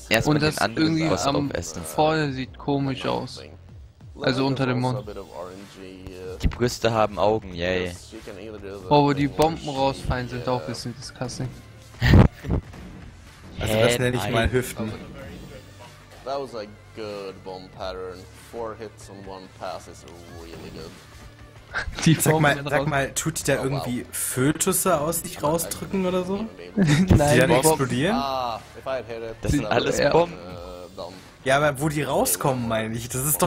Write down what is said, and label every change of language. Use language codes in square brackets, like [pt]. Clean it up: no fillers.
[de] Erstmal den anderen Boss aufessen. Vorne sieht komisch aus. also unter dem Mond. Die Brüste haben Augen, yay. Oh, wo die Bomben rausfallen, sind auch ein bisschen disgusting. Also das nenne ich mal Hüften. [en] That was a good bomb pattern. Four hits on one pass is really good. [de] Die sag mal, tut der irgendwie Fötusse aus sich rausdrücken oder so? Nein, die dann explodieren? Das sind alles Bomben. Ja, aber wo die rauskommen, meine ich, das ist doch